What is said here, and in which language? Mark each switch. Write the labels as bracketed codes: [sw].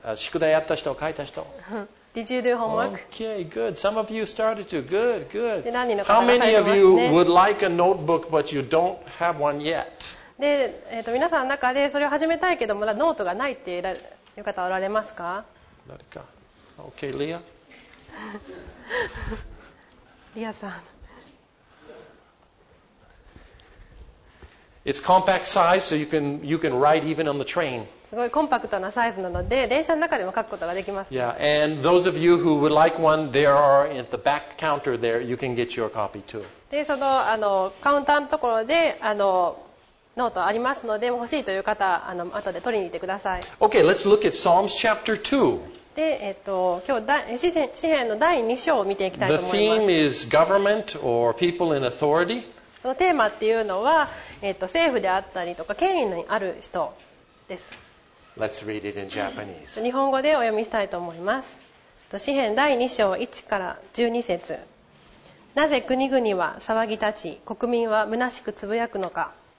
[ja] 宿題やった人、書いた人。 [en] Did you do homework? Okay, good. Some of you started to. Good, good. How many of you would like a notebook but you don't have one yet? [ja] で、皆さんの中でそれを始めたいけどまだノートがないっていう方はおられますか？誰か。 [en] Okay, [ja] Leah. Leah さん。 [en] It's compact size, so you can write even on the train. [ja] すごいコンパクトなサイズなので電車の中でも書くことができます。 [en] Yeah, and those of you who would like one, there are at the back counter there, you can get your copy too. [ja] で、その、カウンターのところで、ノートありますので、欲しいという方、後で取りに行ってください。 [en] Okay, let's look at Psalms chapter 2. [ja] で、今日、詩編の第2章を見ていきたいと思います。 [en] The theme is government or people in authority. [ja] そのテーマっていうのは、政府であったりとか、権威にある人です。 [en] Let's read it in Japanese. [ja] 日本語でお読みしたいと思います。詩編第2章1から12節。なぜ国々は騒ぎ立ち、国民は虚しくつぶやくのか。